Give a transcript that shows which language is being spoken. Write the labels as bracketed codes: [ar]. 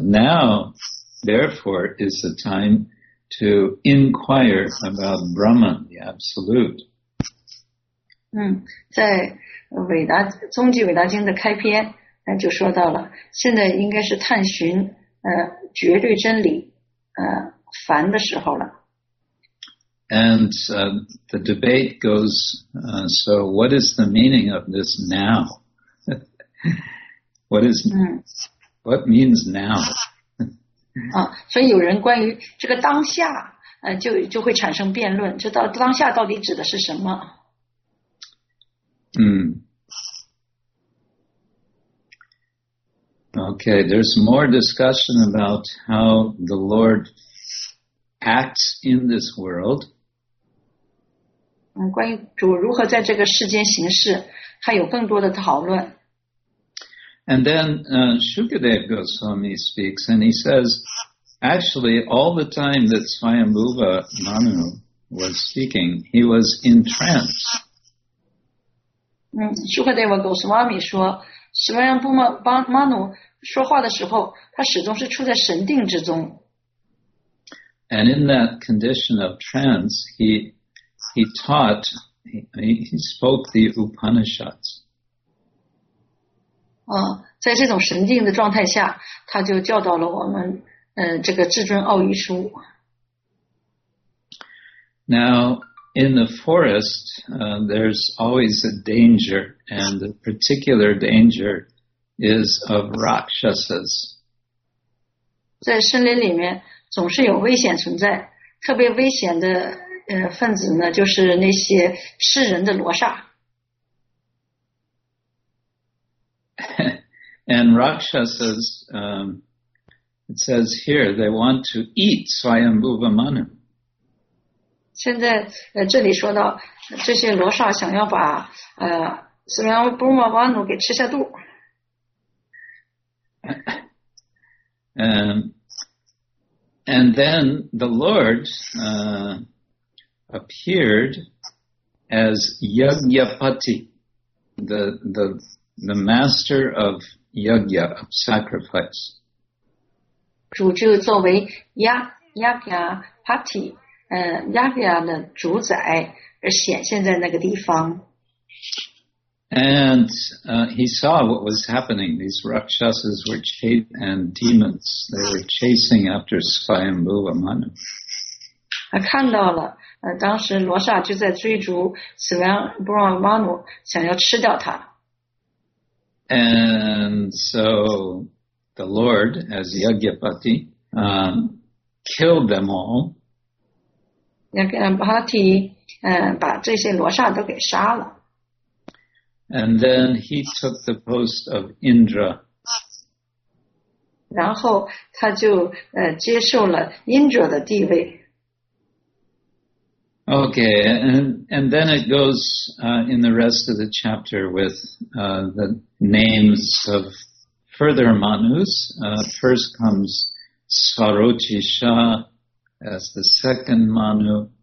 [en] Now therefore is the time to inquire about Brahman, the absolute. [zh] 在伟达终极伟达经的开篇就说到了，现在应该是探寻绝对真理凡的时候了。 [en] And the debate goes, so what is the meaning of this now? What means now? [zh] 所以有人关于这个当下就会产生辩论，这当下到底指的是什么？ [en] Okay, there's more discussion about how the Lord acts in this world. [zh] 关于主如何在这个世间行事，还有更多的讨论。 [en] And then Shukadeva Goswami speaks, and he says, actually, all the time that Swayambhuva Manu was speaking, he was in trance. [zh] Shukadeva Goswami 说 Swayambhuva Manu 说话的时候，他始终是处在神定之中。 [en] And in that condition of trance, he spoke the Upanishads. [zh] 在这种神定的状态下，他就教导了我们，这个至尊奥义书。 [en] Now. In the forest, there's always a danger, and the particular danger is of rakshasas. [zh] 在森林里面总是有危险存在，特别危险的分子呢，就是那些吃人的罗刹。 [en] And rakshasas, it says here, they want to eat Swayambhuva Manu. [zh] 现在这里说到这些罗刹想要把Swayambhuva Manu 给吃下肚。 [en] And then the Lord appeared as Yajñapati, the master of yajna, of sacrifice. [zh] 主就作为 Yajñapati,Yajna 的主宰而显现在那个地方。 [en] And he saw what was happening. These rakshasas were chased and demons. They were chasing after Swayambhuva Manu. [zh] 看到了，当时罗刹就在追逐 Swayambhuva Manu， 想要吃掉他。 [en] And so the Lord, as Yajñapati, killed them all. [zh] Yajñapati, 把这些罗刹都给杀了。 [en] And then he took the post of Indra. [zh] 然后他就接受了 Indra 的地位。 [en] Okay, and then it goes in the rest of the chapter with the names of further Manus. First comes Svarochisha as the second Manu.